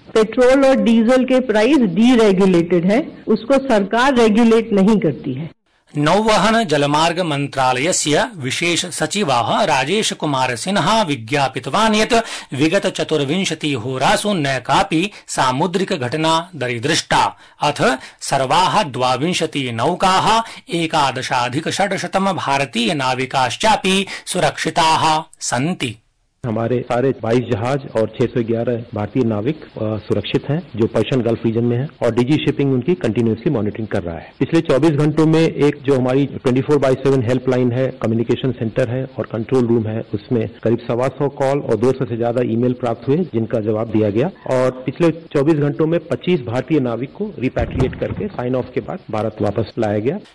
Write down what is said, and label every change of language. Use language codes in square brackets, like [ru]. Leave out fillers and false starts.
[hi] Petrol और diesel के price deregulated है, उसको सरकार रेगुलेट नहीं करती है। [sa] नौवहन जलमार्ग मन्त्रालयस्य विशेष सचिवः राजेश कुमार सिन्हा विज्ञापितवान् यत् विगत चतुर्विंशति होरासु न कापि सामुद्रिक घटना दरीदृष्टा। अथ सर्वाः 22 नौकाः 11,600 भारतीय नाविकाश्चापि सुरक्षिताः सन्ति। [hi] हमारे सारे 22 जहाज और 611 भारतीय नाविक सुरक्षित हैं जो पर्शियन गल्फ रीजन में हैं, और डीजी शिपिंग उनकी कंटिन्यूअसली मॉनिटरिंग कर रहा है। पिछले 24 घंटों में एक जो हमारी 24/7 हेल्पलाइन है, कम्युनिकेशन सेंटर है और कंट्रोल रूम है, उसमें करीब 125 कॉल और 200 से ज्यादा ईमेल प्राप्त हुए जिनका जवाब दिया गया, और पिछले 24 घंटों में 25 भारतीय नाविक को रिपैट्रिएट करके साइन ऑफ के बाद भारत वापस लाया गया।